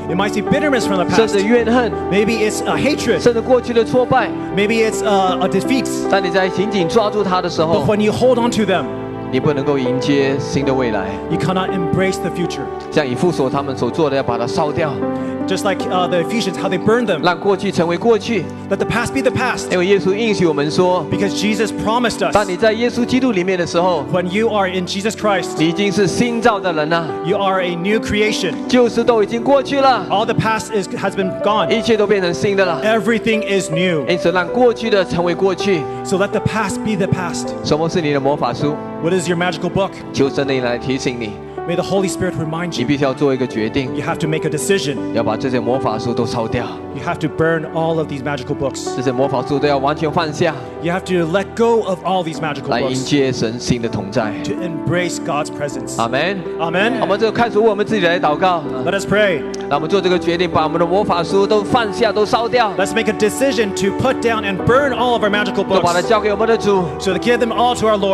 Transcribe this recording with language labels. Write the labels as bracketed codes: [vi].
[en] It might be bitterness from the past. [zh] 甚至怨恨。 [en] Maybe it's a hatred. [zh] 甚至过去的挫败。 [en] Maybe it's a defeat. [zh] 当你在紧紧抓住它的时候。 [en] But when you hold on to them. [zh] 你不能够迎接新的未来。 [en] You cannot embrace the future. [zh] 像以弗所他们所做的，要把它烧掉。 [en] Just like the Ephesians, how they burned them. [zh] 让过去成为过去。 [en] Let the past be the past. [zh] 因为耶稣应许我们说。 [en] Because Jesus promised us. [zh] 当你在耶稣基督里面的时候。 [en] When you are in Jesus Christ. [zh] 你已经是新造的人了。 [en] You are a new creation. [zh] 旧事都已经过去了。 [en] All the past has been gone. [zh] 一切都变成新的了。 [en] Everything is new. [zh] 因此让过去的成为过去。 [en] So let the past be the past. [zh] 什么是你的魔法书？ [en] What is your magical book? [zh] 求圣灵来提醒你。 [en] May the Holy Spirit remind you. [zh] 你必须要做一个决定。 [en] You have to make a decision. [zh] 要把这些魔法书都烧掉。 [en] You have to burn all of these magical books. [zh] 这些魔法书都要完全放下。 [en] You have to let go of all these magical books. [zh] 来迎接神新的同在。 [en] To embrace God's presence. Amen. Amen. [zh] 我们就开始为我们自己来祷告。 [en] Let us pray. [zh] 让我们做这个决定，把我们的魔法书都放下，都烧掉。 [en] Let's make a decision to put down and burn all of our magical books. [zh] 都把它交给我们的主。 [en] So to give them all to our Lord.